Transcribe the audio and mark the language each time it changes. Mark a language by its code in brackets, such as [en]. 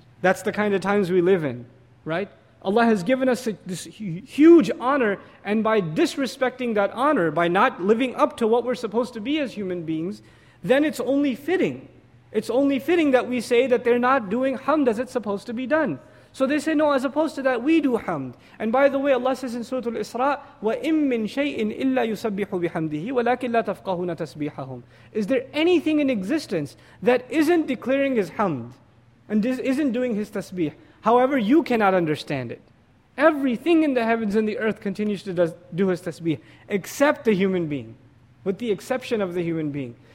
[en] That's the kind of times we live in, right? Allah has given us this huge honor, and by disrespecting that honor, by not living up to what we're supposed to be as human beings, then it's only fitting. It's only fitting that we say that they're not doing hamd as it's supposed to be done. So they say, no, as opposed to that, we do hamd. And by the way, Allah says in Surah Al-Isra, [ar] وَإِمْ مِنْ شَيْءٍ إِلَّا يُسَبِّحُ بِحَمْدِهِ وَلَكِنْ لَا تَفْقَهُنَ تَسْبِيحَهُمْ. [en] Is there anything in existence that isn't declaring his hamd and isn't doing his tasbih? However, you cannot understand it. Everything in the heavens and the earth continues to do his tasbih, except the human being, with the exception of the human being.